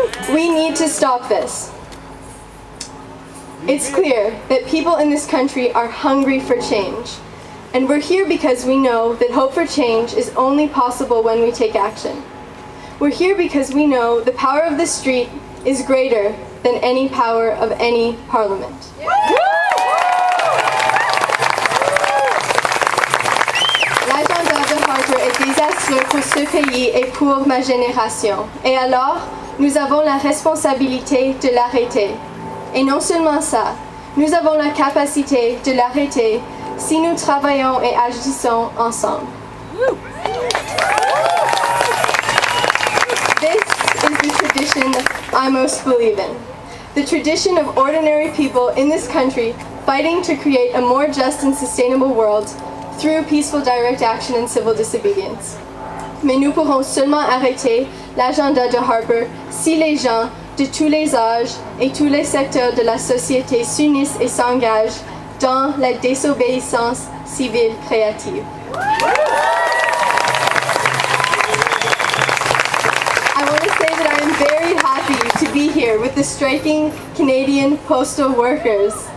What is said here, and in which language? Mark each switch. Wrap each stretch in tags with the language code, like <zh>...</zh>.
<en>We need to stop this. It's clear that people in this country are hungry for change. And we're here because we know that hope for change is only possible when we take action. We're here because we know the power of the street is greater than any power of any parliament.</en> <fr>L'agenda de Harper est désastreux pour ce pays et pour ma génération. Et alors, nous avons la responsabilité de l'arrêter. Et non seulement ça, nous avons la capacité de l'arrêter si nous travaillons et agissons ensemble.</fr> <en>This is the tradition I most believe in. The tradition of ordinary people in this country fighting to create a more just and sustainable world through peaceful direct action and civil disobedience.</en> <fr>Mais nous pourrons seulement arrêter l'agenda de Harper si les gens de tous les âges et tous les secteurs de la société s'unissent et s'engagent dans la désobéissance civile créative.</fr> <en>I want to say that I am very happy to be here with the striking Canadian postal workers.</en>